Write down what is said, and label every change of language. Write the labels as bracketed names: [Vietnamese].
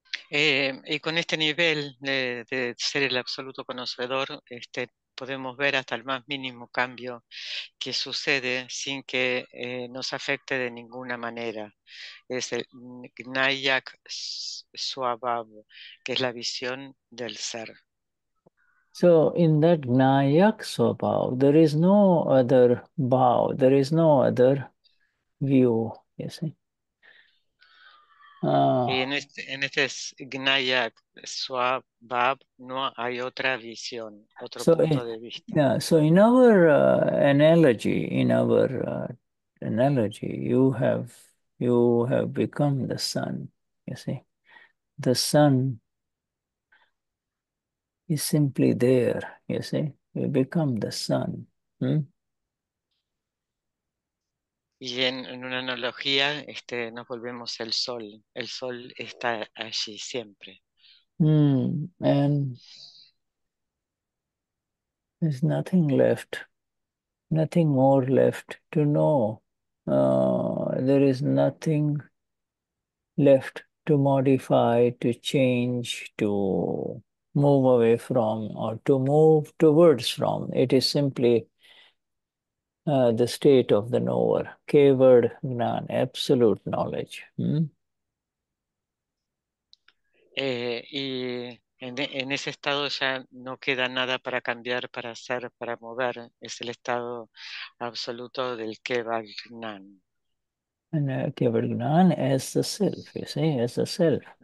[Spanish] Y con este nivel de ser el absoluto conocedor, podemos ver hasta el más mínimo cambio que sucede sin que nos afecte de ninguna manera. Es el Gnayak Swabhav, que es la visión del ser. [English] So in that Gnayak Swabhav, there is no other bhav, there is no other view, you see. [Spanish] Y en este es Gnayak Swabhav, no hay otra visión, otro punto de vista. [English] Yeah, so in our analogy, you have become the sun, you see. The sun is simply there, you see. You become the sun. [Spanish] Y en una analogía, nos volvemos el sol. El sol está allí siempre. [English] And there's nothing left, nothing more left to know. There is nothing left to modify, to change, to move away from, or to move towards from. It is simply the state of the knower, kevad gnan, absolute knowledge. [Spanish] Y en ese estado ya no queda nada para cambiar, para hacer, para mover. Es el estado absoluto del kevad gnan. [English] Kevad gnan as the self, you see, as the self.